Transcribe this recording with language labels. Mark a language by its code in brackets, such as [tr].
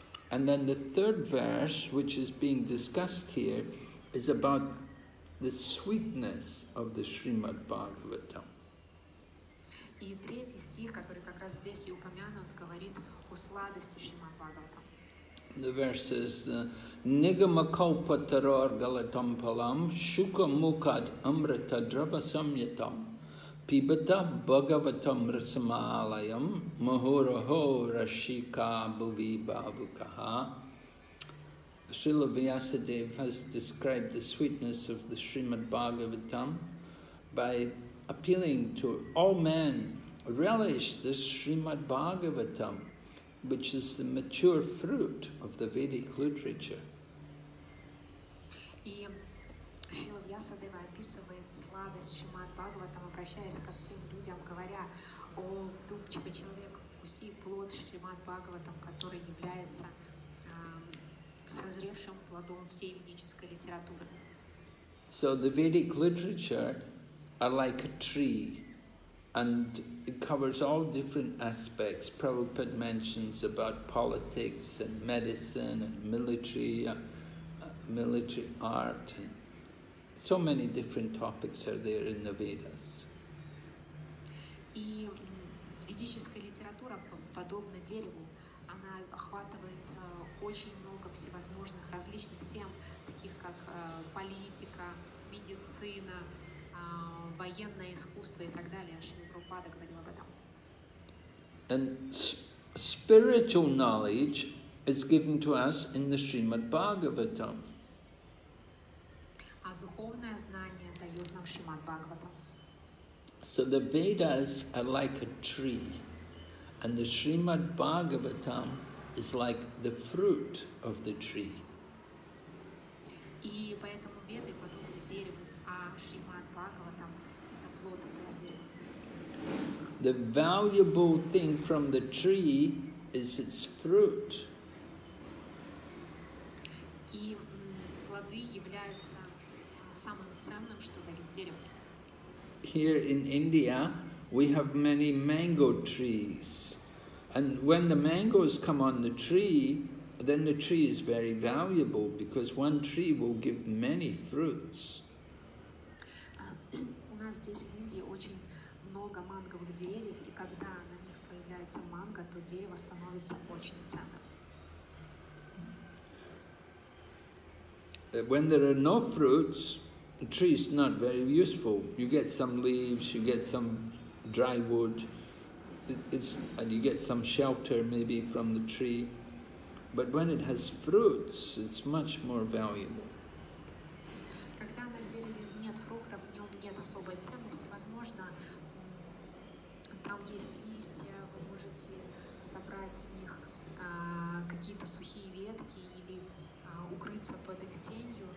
[en] And then the third verse, which is being discussed here, is about the sweetness of the Srimad Bhagavatam. [ru] И третий стих, который как раз здесь и упомянут, говорит о сладости Шримад Бхагаватам. [en] The verse is [sa] Nigamakalpataragalatampalam Shukamukad Amrita Dravasamyatam. Pibata Bhagavatam Rasamalayam Mahuraho Rashika Bhuvi Bhavukaha. [en] Srila Vyasadeva has described the sweetness of the Srimad Bhagavatam by appealing to all men, relish this Srimad Bhagavatam, which is the mature fruit of the Vedic literature. [ru] Шрила Вьясадева описывает сладость Шримад Бхагаватам, обращаясь ко всем людям, говоря: «О, вдумчивый человек, вкуси плод Шримад Бхагаватам, который является созревшим плодом всей ведической литературы». [en] So the Vedic literature are like a tree, and it covers all different aspects. Prabhupada mentions about politics and medicine and military military art, and so many different topics are there in the Vedas. [ru] И ведическая литература подобна дереву, она охватывает очень много всевозможных различных тем, таких как политика, медицина, военное искусство и так далее. Шри Прабхупада говорил об этом. [en] And spiritual knowledge is given to us in the Srimad Bhagavatam. [ru] А духовное знание дает нам Шримад Бхагаватам. [en] So the Vedas are like a tree, and the Srimad Bhagavatam is like the fruit of the tree. [ru] И поэтому Веды подобны дереву, а Шримад Бхагаватам это плод этого дерева. [en] The valuable thing from the tree is its fruit. [ru] И плоды являются самым ценным, что дарит дерево. [en] Here in India, we have many mango trees. And when the mangoes come on the tree, then the tree is very valuable because one tree will give many fruits. [ru] У нас здесь в Индии очень много манговых деревьев, и когда на них появляется манго, то дерево становится очень ценным. [en] When there are no fruits, the tree is not very useful. You get some leaves, you get some dry wood, and you get some shelter maybe from the tree. But when it has fruits, it's much more valuable. [ru] Когда на дереве нет фруктов, в нем нет особой ценности. Возможно, там есть листья, вы можете собрать с них какие-то сухие ветки или укрыться под их тенью.